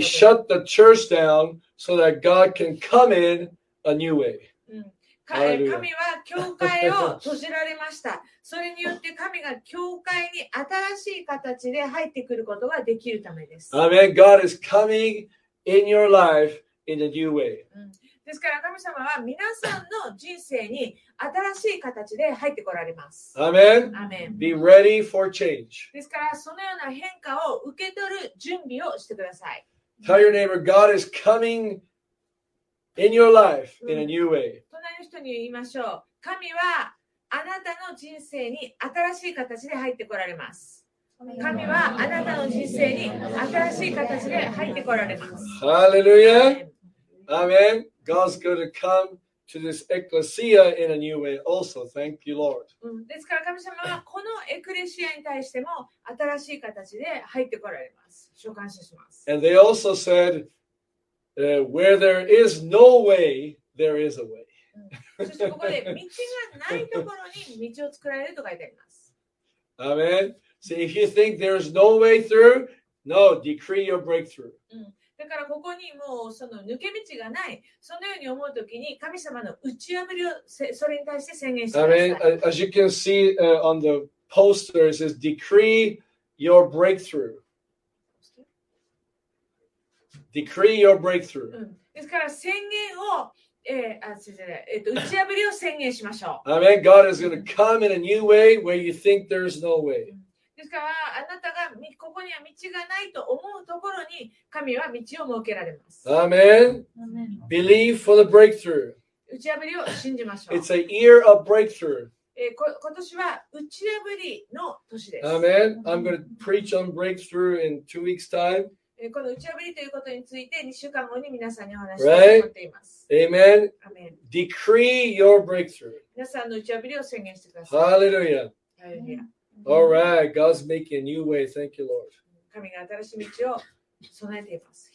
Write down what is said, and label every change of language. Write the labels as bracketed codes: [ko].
[en] He shut the church down so that God can come in a new way. [ja] 神は教会を閉じられました。それによって神が教会に新しい形で入ってくることができるためです。 [en] Amen. God is coming in your life in a new way. [ja] ですから神様は皆さんの人生に新しい形で入ってこられます。 [en] Amen. Amen. Be ready for change. [ja] ですからそのような変化を受け取る準備をしてください。 [en] Tell your neighbor, God is coming in your life in a new way. [ja] 隣の人に言いましょう。神はあなたの人生に新しい形で入ってこられます。神はあなたの人生に新しい形で入ってこられます。 [en] Hallelujah. Amen. God's going to come to this ecclesia in a new way also. Thank you, Lord. [ja] ですから神様はこのエクレシアに対しても新しい形で入ってこられます。召喚します。 [en] And they also said, where there is no way, there is a way. Amen. See, if you think there is no way through, no, decree your breakthrough. [ja] だからここにもうその抜け道がない。そのように思うときに神様の打ち破りをそれに対して宣言してください。 [en] I mean, as you can see, on the poster, it says, decree your breakthrough. Decree your breakthrough. [ja] ですから宣言を、打ち破りを宣言しましょう。 [en] I mean, God is going to come in a new way where you think there is no way. [ja] ですからあなたがここには道がないと思うところに神は道を設けられます。 [en] アーメン。Believe for the breakthrough. [ja] 打ち破りを信じましょう。 [en] It's a year of breakthrough. [ja] 今年は打ち破りの年です。アーメン。 [en] I'm going to preach on breakthrough in 2 weeks' time. [ja] この打ち破りということについて2週間後に皆さんにお話ししたいと思っています。 [en] Right? Amen. Decree your breakthrough. [ja] 皆さんの打ち破りを宣言してください。 [en] ハレルヤ。All right, God's making a new way. Thank you, Lord. [ja] 神が新しい道を備えています。